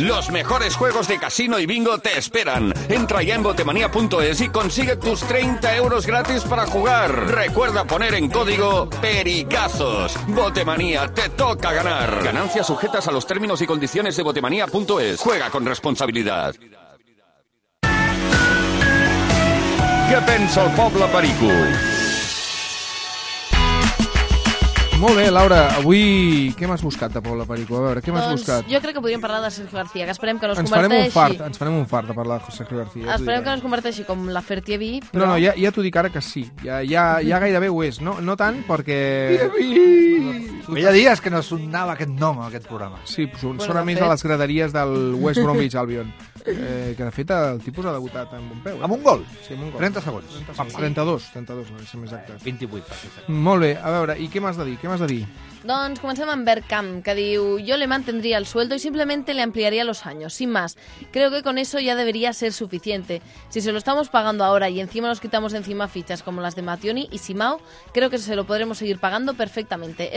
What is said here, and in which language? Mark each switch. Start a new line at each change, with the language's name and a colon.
Spanish: Los mejores juegos de casino y bingo te esperan. Entra ya en botemanía.es y consigue tus 30 euros gratis para jugar. Recuerda poner en código PERICAZOS. Botemanía, te toca ganar. Ganancias sujetas a los términos y condiciones de botemanía.es. Juega con responsabilidad.
Catalan: Què pensa el poble perico? Molt bé, Laura, avui què m'has buscat de poble perico? A veure, què m'has buscat? Jo crec que podríem parlar de Sergio García, que esperem que no es ens converteixi... Ens farem un fart de parlar de Sergio García. Esperem que no es converteixi com la Fertievi. Però... No, no, ja t'ho dic ara que sí. Ja gairebé ho és. No, no tant, perquè... Fertievi! Feia dies que no sonava aquest nom, aquest programa. Sí, sona bueno, més fet... a les graderies del West Bromwich Albion. Que de fet el tipus ha debutat amb un peu. Amb un gol? Sí, amb un gol. 30 segons. 32, no sé més exacte. 28. Molt bé, a veure, i què m'has de dir?
Spanish: ¿Qué más de ti? Doncs comencem amb Bergkamp, que diu: "Yo le mantendría el sueldo y simplemente le ampliaría los años, sin más. Creo que con eso ya debería ser suficiente. Si se lo estamos pagando ahora y encima nos quitamos de encima fichas como las de Mationi y Simao, creo que se lo podremos seguir pagando perfectamente.